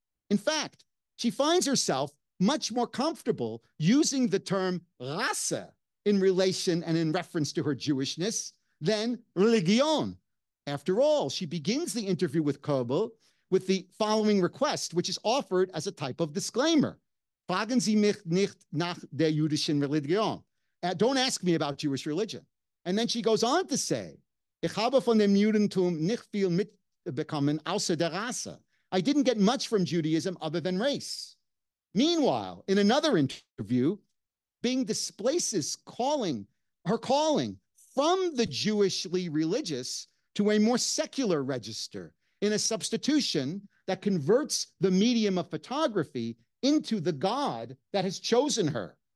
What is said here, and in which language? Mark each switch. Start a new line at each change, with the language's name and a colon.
English: In fact, she finds herself much more comfortable using the term Rasse in relation and in reference to her Jewishness than Religion. After all, she begins the interview with Kobel with the following request, which is offered as a type of disclaimer.
German: Fragen Sie mich nicht nach der jüdischen Religion.
English: Don't ask me about Jewish religion. And then she goes on to say,
German: Ich habe von dem Judentum nicht viel mitbekommen außer der Rasse.
English: I didn't get much from Judaism other than race. Meanwhile, in another interview, Bing displaces her calling from the Jewishly religious to a more secular register in a substitution that converts the medium of photography into the God that has chosen her.